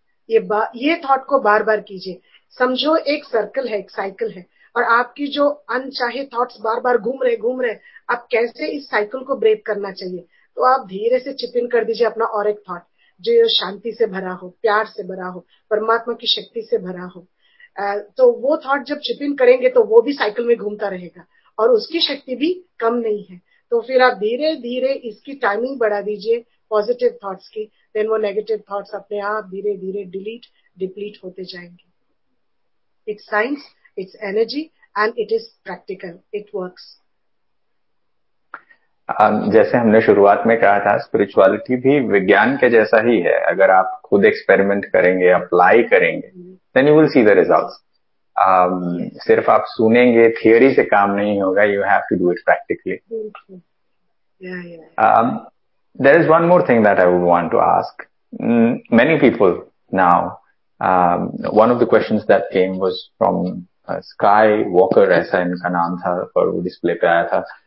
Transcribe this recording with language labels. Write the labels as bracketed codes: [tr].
[hi] ये थॉट को बार बार कीजिए, समझो एक सर्कल है, एक साइकिल है, और आपकी जो अनचाहे थॉट्स बार बार घूम रहे, आप कैसे इस साइकिल को ब्रेक करना चाहिए, तो आप धीरे से चिप इन कर दीजिए अपना और एक थॉट जो ये शांति से भरा हो, प्यार से भरा हो, परमात्मा की शक्ति से भरा हो, तो वो थॉट जब चिप इन करेंगे तो वो भी साइकिल में घूमता रहेगा और उसकी शक्ति भी कम नहीं है। तो फिर आप धीरे धीरे इसकी टाइमिंग बढ़ा दीजिए पॉजिटिव थॉट्स की, देन वो नेगेटिव थॉट्स अपने आप धीरे धीरे डिलीट डिप्लीट होते जाएंगे। [en] It's science, it's energy, and it is practical. It works. [hi] जैसे हमने शुरुआत में कहा था, स्पिरिचुअलिटी भी विज्ञान के जैसा ही है, अगर आप खुद एक्सपेरिमेंट करेंगे, अप्लाई करेंगे, [en] then you will see the results. [hi] सिर्फ आप सुनेंगे थियोरी से काम नहीं होगा, [en] you have to do it practically. There is one more thing that I would want to ask. Many people now, one of the questions that came was from Sky Walker, [hi] aisa inka naam tha, par wo display pe aaya tha.